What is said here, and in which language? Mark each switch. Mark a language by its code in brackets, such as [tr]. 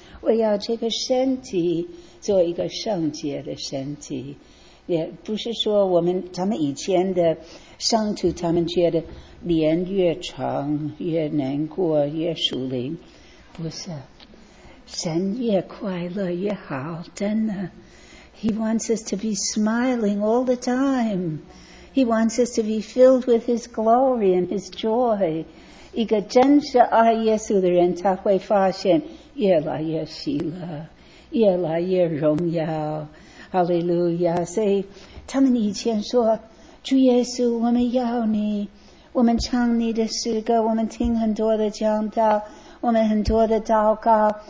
[zh] 我要这个身体做一个圣洁的身体。也不是说我们他们以前的圣徒，他们觉得年越长越难过越属灵，不是，神越快乐越好，真的。 [en] He wants us to be smiling all the time. He wants us to be filled with His glory and His joy. [zh] 一个真实爱耶稣的人，他会发现越来越喜乐，越来越荣耀。哈利路亚！所以他们以前说：“主耶稣，我们要你，我们唱你的诗歌，我们听很多的讲道，我们很多的祷告。